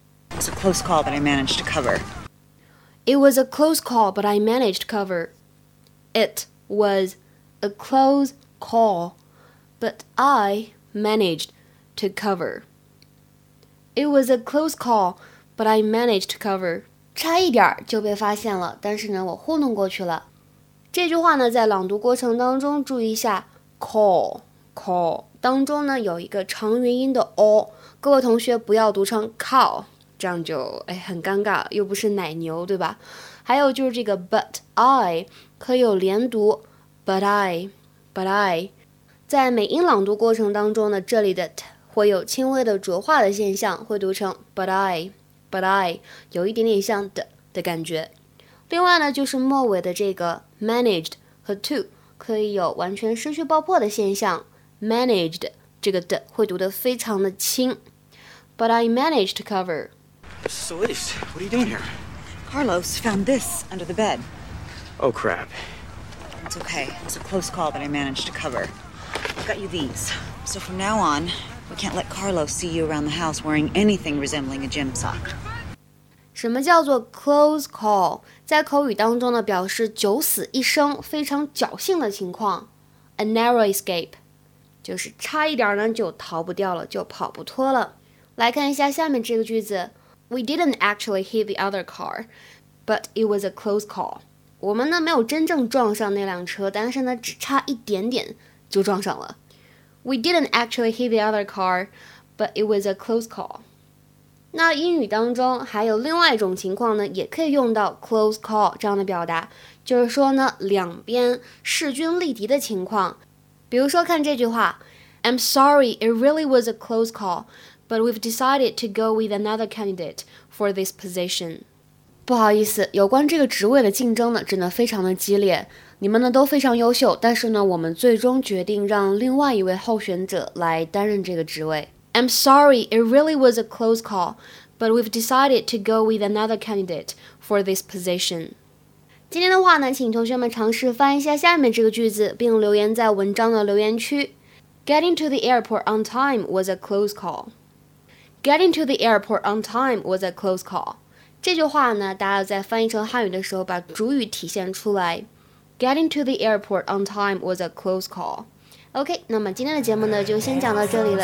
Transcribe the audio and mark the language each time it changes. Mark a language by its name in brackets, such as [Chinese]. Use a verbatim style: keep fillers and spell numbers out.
[English] It was a close call, but I managed to cover. It was a close call, but I managed to cover. It was a close call, but I managed to cover. It was a close call, but I managed to cover. [Chinese] 差一点就被发现了，但是呢，我糊弄过去了。这句话呢，在朗读过程当中注意一下 call call 当中呢有一个长元音的 o， 各位同学不要读成 cow， 这样就哎很尴尬，又不是奶牛，对吧？还有就是这个 but I 可以有连读 [English] but I but I， [Chinese] 在美音朗读过程当中呢，这里的 t 会有轻微的浊化的现象，会读成 but I but I， 有一点点像的的感觉。另外呢，就是末尾的这个 managed 和 to 可以有完全失去爆破的现象。 Managed 这个的会读得非常的轻 [English] But I managed to cover. This is Elise. What are you doing here? Carlos found this under the bed. Oh, crap. It's okay. It was a close call, but I managed to cover. I've got you these. So from now on, we can't let Carlos see you around the house wearing anything resembling a gym sock. [Chinese] 什么叫做 close call? 在口语当中呢，表示九死一生，非常侥幸的情况。 [English] A narrow escape. [Chinese] 就是差一点呢就逃不掉了，就跑不脱了。来看一下下面这个句子 [English] We didn't actually hit the other car, but it was a close call. [Chinese] 我们呢没有真正撞上那辆车，但是呢只差一点点就撞上了。 [English] We didn't actually hit the other car, but it was a close call. [Chinese] 那英语当中还有另外一种情况呢，也可以用到 close call 这样的表达，就是说呢两边势均力敌的情况。比如说看这句话 [English] I'm sorry, it really was a close call, but we've decided to go with another candidate for this position. [Chinese] 不好意思，有关这个职位的竞争呢，真的非常的激烈。你们呢都非常优秀，但是呢，我们最终决定让另外一位候选者来担任这个职位。 [English] I'm sorry, it really was a close call, but we've decided to go with another candidate for this position. [Chinese] 今天的话呢，请同学们尝试翻译一下下面这个句子，并留言在文章的留言区。 [English] Getting to the airport on time was a close call. Getting to the airport on time was a close call. [Chinese] 这句话呢，大家在翻译成汉语的时候，把主语体现出来。 [English] Getting to the airport on time was a close call. [Chinese] OK， 那么今天的节目呢，就先讲到这里了。